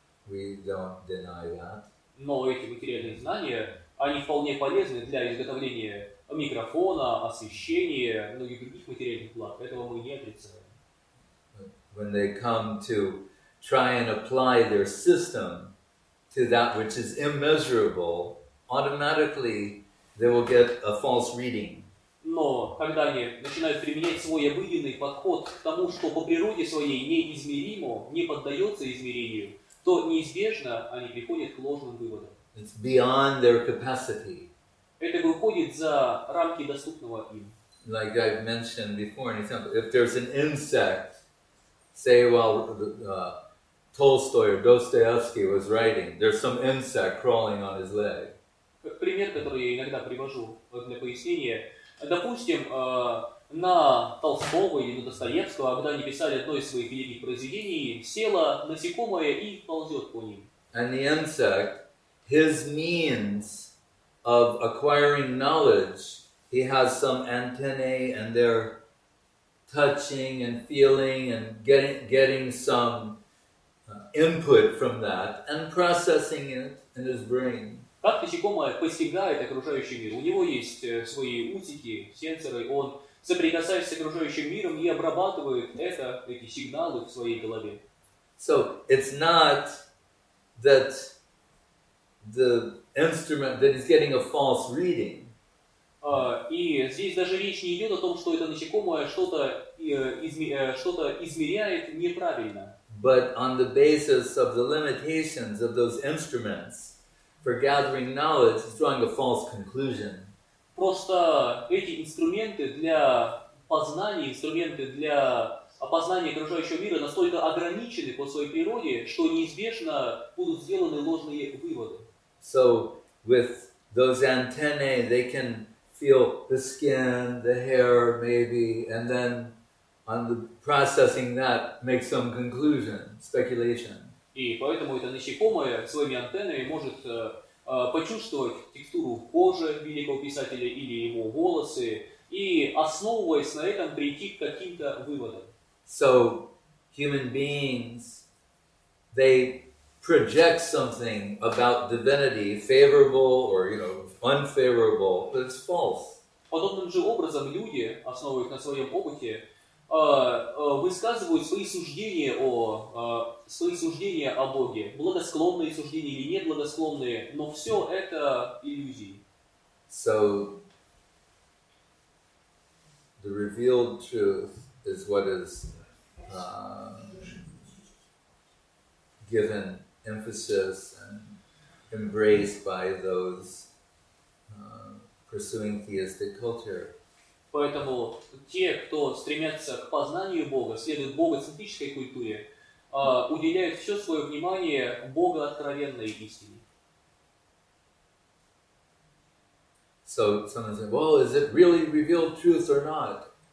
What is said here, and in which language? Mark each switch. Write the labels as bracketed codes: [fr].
[en] We don't deny that. [ru] Но эти материальные знания, они вполне полезны для изготовления микрофона, освещения, многих других материальных благ. Этого мы не отрицаем. [en] When they come to try and apply their system to that which is immeasurable, automatically they will get a false reading. [ru] Но когда они начинают применять свой обыденный подход к тому, что по природе своей неизмеримо, не поддается измерению, то неизбежно они приходят к ложным выводам. [en] It's beyond their capacity. [ru] Это выходит за рамки доступного им. [en] Like I've mentioned before, an example: if there's an insect, say, while Tolstoy or Dostoevsky was writing, there's some insect crawling on his leg. [ru] Пример, который я иногда привожу для пояснения. Допустим, на Толстого или на Достоевского, когда они писали одно из своих великих произведений, села насекомое и ползет по ним. [en] And the insect, his means of acquiring knowledge, he has some antennae, and they're touching and feeling and getting some input from that and processing it in his brain. [ru] Как насекомое постигает окружающий мир? У него есть свои усики, сенсоры, он соприкасается с окружающим миром и обрабатывает это, эти сигналы в своей голове. [en] So, it's not that the instrument, that he's getting a false reading. [ru] И здесь даже речь не идет о том, что это насекомое что-то, что-то измеряет неправильно. [en] But on the basis of the limitations of those instruments, for gathering knowledge, it's drawing a false conclusion. [ru] Просто эти инструменты для познания, инструменты для опознания окружающего мира настолько ограничены по своей природе, что неизбежно будут сделаны ложные выводы. [en] So with those antennae, they can feel the skin, the hair, maybe, and then on the processing that, make some conclusion, speculation. [ru] И поэтому это насекомое своими антеннами может почувствовать текстуру кожи великого писателя или его волосы и, основываясь на этом, прийти к каким-то выводам. [en] So, human beings, they project something about divinity, favorable or, you know, unfavorable, but it's false. [ru] Подобным же образом люди, основываясь на своем опыте, высказывают свои суждения о свои суждения о Боге, благосклонные суждения или неблагосклонные, но все это иллюзии. [en] So the revealed truth is what is given emphasis and embraced by those pursuing theistic culture. [ru] Поэтому те, кто стремятся к познанию Бога, следуют богоцентрической культуре, уделяют все свое внимание богооткровенной истине. [en] So someone said, "Well, is it really revealed truth or not?"